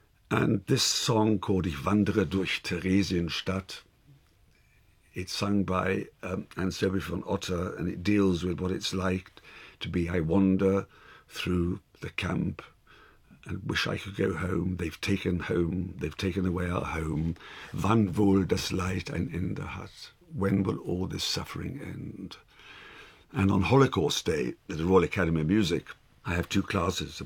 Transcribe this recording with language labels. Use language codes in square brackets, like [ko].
[en] And this song called Ich wandere durch Theresienstadt, it's sung by Anselm von Otter, and it deals with what it's like to be, I wander through the camp and wish I could go home. They've taken home, they've taken away our home. [de] Wann wohl das Leid ein Ende hat? [en] When will all this suffering end? And on Holocaust Day at the Royal Academy of Music, I have two classes.